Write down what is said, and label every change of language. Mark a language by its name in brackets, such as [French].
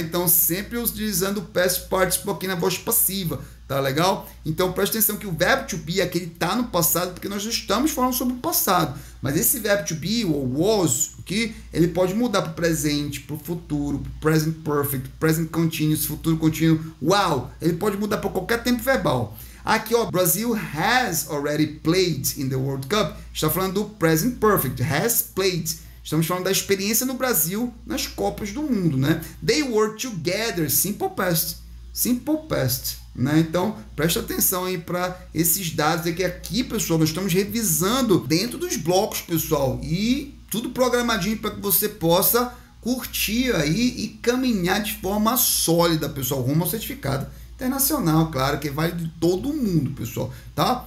[Portuguese] Então, sempre utilizando o past participle aqui na voz passiva, tá legal? Então, presta atenção que o verbo to be aqui, ele tá no passado, porque nós já estamos falando sobre o passado. Mas esse verbo to be, ou was, que ele pode mudar para o presente, para o futuro, pro present perfect, present continuous, futuro contínuo. Uau! Ele pode mudar para qualquer tempo verbal. [English] Aqui, ó, Brazil has already played in the World Cup. [Portuguese] Está falando do present perfect, [English] has played. [Portuguese] Estamos falando da experiência no Brasil nas Copas do Mundo, né? [English] They were together, simple past, né? [Portuguese] Então, presta atenção aí para esses dados aqui, pessoal, nós estamos revisando dentro dos blocos, pessoal, e tudo programadinho para que você possa curtir aí e caminhar de forma sólida, pessoal, rumo ao certificado internacional, claro, que vale de todo mundo, pessoal, tá?